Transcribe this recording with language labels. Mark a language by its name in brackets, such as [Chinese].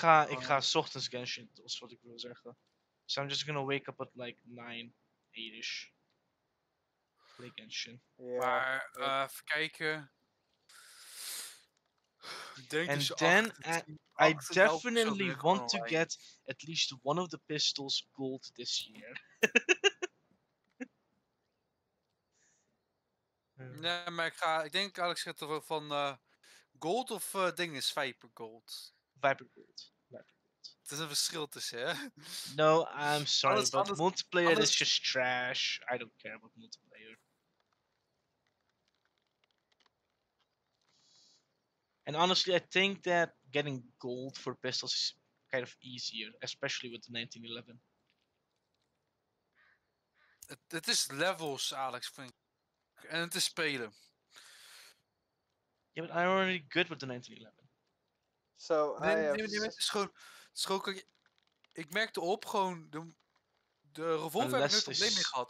[Dutch] Ik ga 's ochtends Genshin, dat is wat ik wil zeggen. [English] So I'm just gonna wake up at like 9, 8-ish. Play Genshin. [Dutch] Yeah. Maar even kijken. [English] And then I definitely want to get at least one of the pistols gold this year. [Dutch] Nee, maar ik denk Alex gaat er van gold of ding is Viper Gold. Viper Gold. Het is een verschil tussen, hè? [English] No, I'm sorry, but multiplayer is just trash. I don't care about multiplayer. And honestly, I think that getting gold for pistols is kind of easier, especially with the 1911. [Dutch] Het is levels, Alex, vind ik. En het is spelen. [English] Yeah, but I'm already good with the 1911. So, [Dutch] Het is gewoon, ik merkte op gewoon, de revolver heb ik nooit probleem mee gehad.